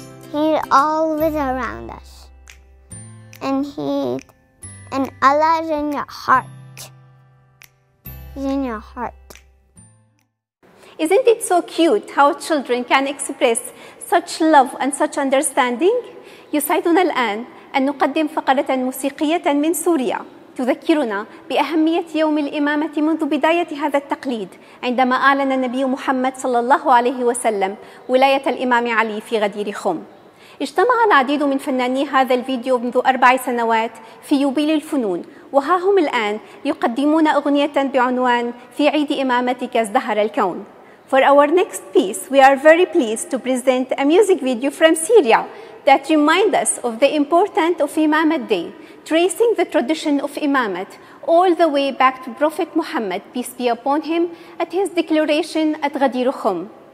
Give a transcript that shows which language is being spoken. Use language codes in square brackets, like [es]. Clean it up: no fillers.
[en] He's always around us. And Allah is in your heart. He's in your heart. Isn't it so cute how children can express such love and such understanding? [ar] يسعدنا الآن أن نقدم فقرة موسيقية من سوريا تذكرنا بأهمية يوم الإمامة منذ بداية هذا التقليد عندما أعلن النبي محمد صلى الله عليه وسلم ولاية الإمام علي في غدير خم. اجتمع العديد من فناني هذا الفيديو منذ 4 سنوات في يوبيل الفنون، وها هم الآن يقدمون أغنية بعنوان في عيد إمامتك ازدهر الكون. [en] For our next piece, we are very pleased to present a music video from Syria that reminds us of the importance of Imamat Day, tracing the tradition of Imamat all the way back to Prophet Muhammad, peace be upon him, at his declaration at Ghadir Khum.